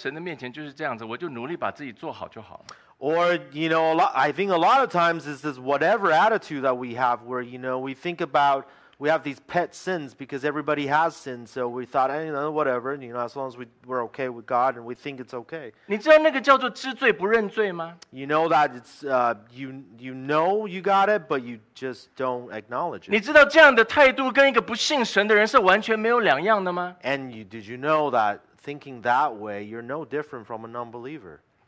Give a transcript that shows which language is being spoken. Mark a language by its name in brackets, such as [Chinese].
[Chinese] 或者我们有一种态度，就是说人都是会犯罪，我知道人都是不完美的，所以在神的面前就是这样子，我就努力把自己做好就好。 [English] Or, you know, I think a lot of times it's this whatever attitude that we have where, you know, we think about we have these pet sins because everybody has sinned, so we thought, hey, you know, whatever, you know, as long as we're okay with God and we think it's okay. [Chinese] 你知道那个叫做知罪不认罪吗? [English] You know that it's, you know you got it, but you just don't acknowledge it. [Chinese] 你知道这样的态度跟一个不信神的人是完全没有两样的吗? [English] And did you know that thinking that way, you're no different from an unbeliever?